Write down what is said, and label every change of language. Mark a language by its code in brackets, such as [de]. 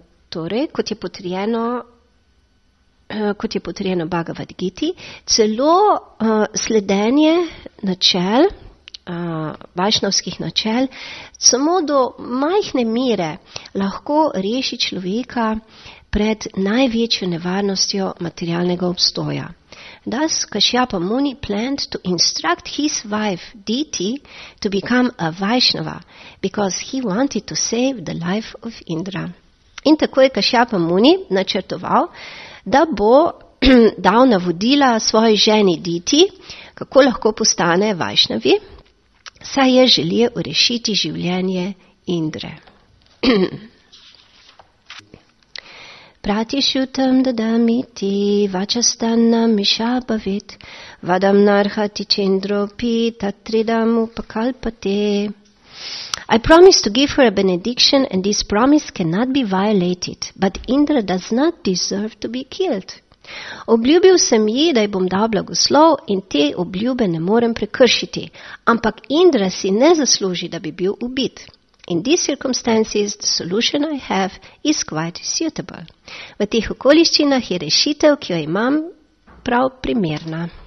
[sl] Torej, kot je potrjeno Bhagavad Giti, celo sledenje načel, vajšnavskih načel, samo do majhne mere lahko reši človeka pred največjo nevarnostjo materialnega obstoja. [en] Thus, Kashyapa Muni planned to instruct his wife, Diti, to become a Vaishnava, because he wanted to save the life of Indra. [sl] In tako je Kashyapa Muni načrtoval, da bo dal navodila svoji ženi Diti, kako lahko postane Vaishnavi, saj je želel urešiti življenje Indre. [sa] Pratishutam dadamiti vachastannam mishabhavit vadam narhati chindropi tatridam upakalpate. [en] I promise to give her a benediction and this promise cannot be violated, but Indra does not deserve to be killed. [sl] Obljubil sem ji, da ji bom dal blagoslov in te obljube ne morem prekršiti, ampak Indra si ne zasluži, da bi bil ubit. [en] In these circumstances, the solution I have is quite suitable. [sl] V teh okoliščinah je rešitev, ki jo imam, prav primerna.